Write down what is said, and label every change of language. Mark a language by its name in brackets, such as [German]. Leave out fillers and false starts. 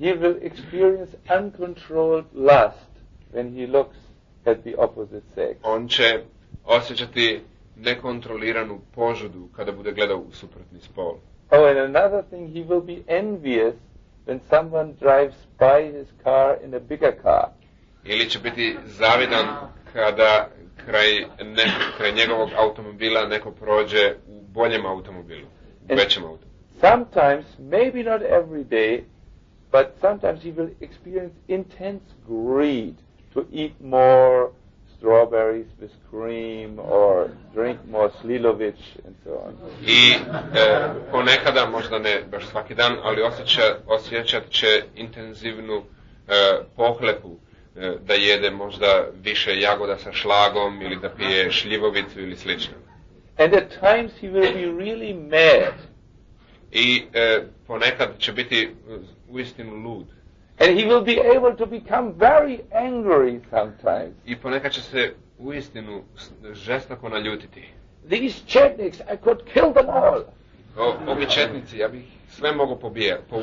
[English] He will experience uncontrolled lust when he looks at the opposite sex. [Bosnian] On će osjećati nekontroliranu požudu kada bude gledao u suprotni spol. [English] Oh, and another thing, he will be envious when someone drives by his car in a bigger car. [Bosnian] Ili će biti zavidan kada kraj njegovog automobila neko prođe u boljem automobilu. [English] And sometimes, maybe not every day, but sometimes he will experience intense greed to eat more strawberries with cream or drink more Slilovic and so on. [Bosnian] I ponekada, možda ne baš svaki dan, ali osjećat će intenzivnu pohlepu da jede možda više jagoda sa šlagom ili da pije šljivovicu ili slično. [English] And at times he will be really mad. [Bosnian] I ponekad će biti uistinu lud. [English] And he will be able to become very angry sometimes. [Bosnian] I ponekad će se uistinu žestoko naljutiti. [English] These Chetniks, I could kill them all. [Bosnian] Ovi četnici, ja bih sve mogao poubijati.